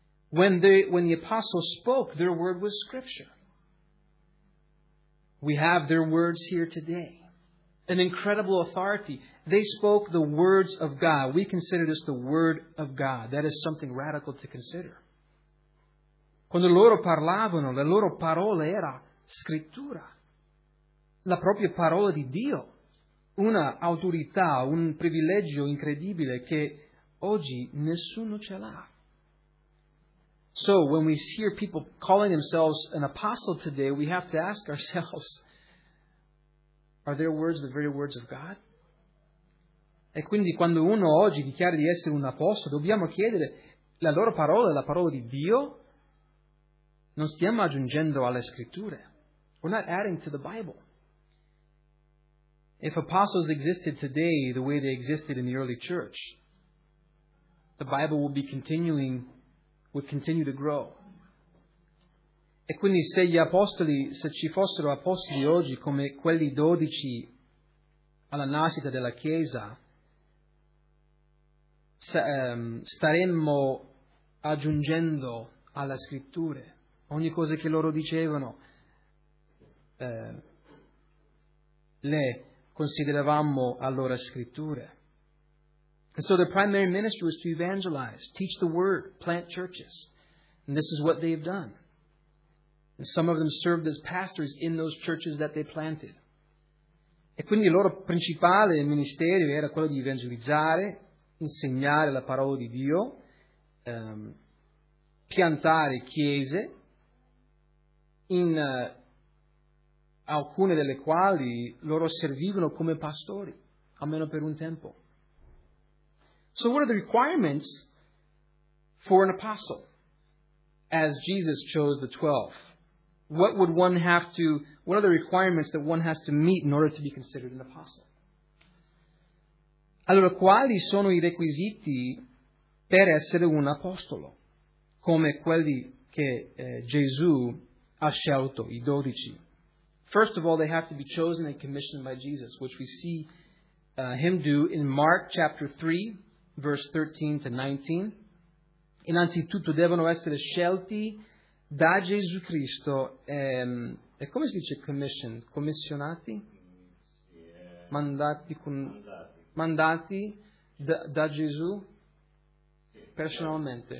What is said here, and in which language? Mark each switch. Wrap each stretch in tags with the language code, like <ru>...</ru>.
<en>When the apostles spoke, their word was scripture. We have their words here today. An incredible authority. They spoke the words of God. We consider this the word of God. That is something radical to consider.</en> <it>Quando loro parlavano, la loro parola era scrittura. La propria parola di Dio. Una autorità, un privilegio incredibile che oggi nessuno ce l'ha.</it> <en>So when we hear people calling themselves an apostle today, we have to ask ourselves, are their words the very words of God?</en> <it>E quindi quando uno oggi dichiara di essere un apostolo, dobbiamo chiedere, la loro parola è la parola di Dio? Non stiamo aggiungendo alle scritture.</it> <en>We're not adding to the Bible. If apostles existed today the way they existed in the early church, the Bible would continue to grow.</en> <it>E quindi se ci fossero apostoli oggi come quelli dodici alla nascita della Chiesa, staremmo aggiungendo alle scritture ogni cosa che loro dicevano, le consideravamo allora scritture.</it> <en>And so the primary ministry was to evangelize, teach the word, plant churches. And this is what they've done. And some of them served as pastors in those churches that they planted.</en> <it>E quindi il loro principale ministero era quello di evangelizzare, insegnare la parola di Dio, piantare chiese, in alcune delle quali loro servivano come pastori, almeno per un tempo.</it> <en>So what are the requirements for an apostle as Jesus chose the 12? What are the requirements that one has to meet in order to be considered an apostle?</en> <it>Allora, quali sono i requisiti per essere un apostolo? Come quelli che Gesù ha scelto, i dodici.</it> <en>First of all, they have to be chosen and commissioned by Jesus, which we see him do in Mark chapter 3. Verse 13 to 19.</en> <it>Innanzitutto devono essere scelti da Gesù Cristo. E come si dice commissioned? Commissionati?</it> <en>Yeah.</en> <it>Mandati da Gesù personalmente.</it>